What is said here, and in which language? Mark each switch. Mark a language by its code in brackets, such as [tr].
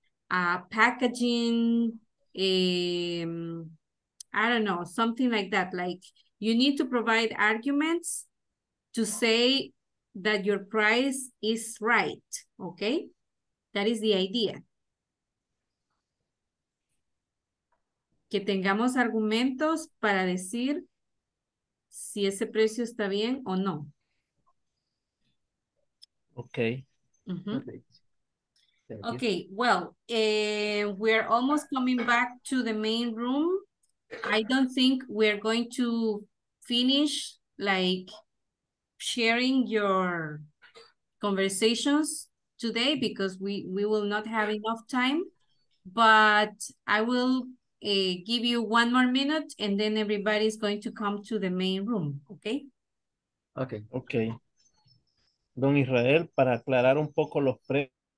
[en] Packaging, I don't know, something like that. Like you need to provide arguments to say that your price is right, okay? That is the idea. [es] Que tengamos argumentos para decir si ese precio está bien o no. [en] Okay. Mm-hmm. Okay, well, we're almost coming back to the main room. I don't think we're going to finish like sharing your conversations today because we will not have enough time, but I will give you one more minute and then everybody's going to come to the main room, okay? Okay. Okay. [es] Don Israel, para aclarar un poco los precios.